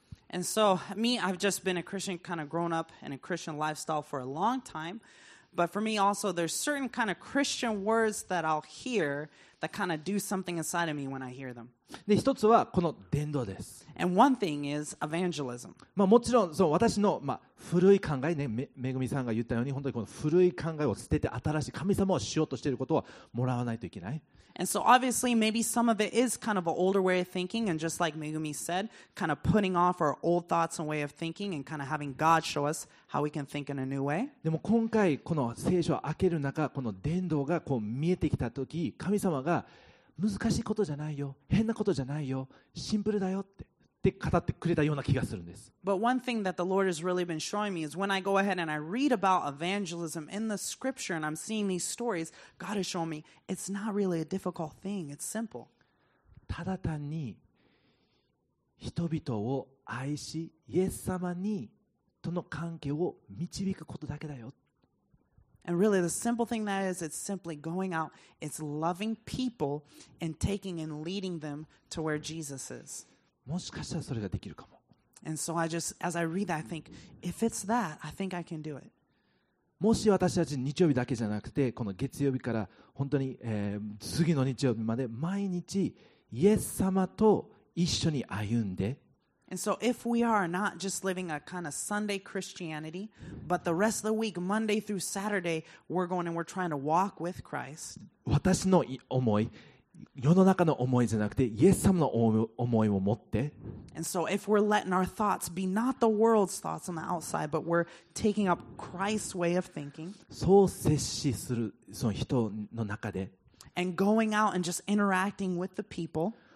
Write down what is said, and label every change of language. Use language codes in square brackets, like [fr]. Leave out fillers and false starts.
[en] And so me, I've just been a Christian, kind of grown up in a Christian lifestyle for a long time. But for me also, there's certain kind of Christian words that I'll hear that kind of do something inside of me when I hear them. [ja] で、一つはこの伝道です。 [en] And one thing is evangelism. [ja] まあもちろん、そう、私の、まあ、古い考えね、めぐみさんが言ったように、本当にこの古い考えを捨てて新しい神様をしようとしていることはもらわないといけない。 [en] And so obviously maybe some of it is kind of an older way of thinking and just like Megumi said, kind of putting off our old thoughts and way of thinking and kind of having God show us how we can think in a new way. [ja] でも今回この聖書を開ける中、この伝道がこう見えてきた時、神様が難しいことじゃないよ、変なことじゃないよ、シンプルだよって。 [en] But one thing that the Lord has really been showing me is when I go ahead and I read about evangelism in the scripture and I'm seeing these stories, God has shown me it's not really a difficult thing, it's simple. [ja] ただ単に人々を愛し、イエス様にとの関係を導くことだけだよ。 [en] And really the simple thing that is, it's simply going out, it's loving people and taking and leading them to where Jesus is. [ja] もしかしたらそれができるかも。 [en] And so I just, as I read that, I think, if it's that, I think I can do it. [ja] もし私たち日曜日だけじゃなくて、この月曜日から本当に、次の日曜日まで毎日イエス様と一緒に歩んで。 [en] And so if we are not just living a kind of Sunday Christianity, but the rest of the week, Monday through Saturday, we're going and we're trying to walk with Christ. [ja] 私の思い。世の中の思いじゃなくてイエス様の思いを持って。 [en] And so if we're letting our thoughts be not the world's thoughts on the outside, but we're taking up Christ's way of thinking. [ja] そう接しするその人の中で。 [en] And going out and just interacting with the people.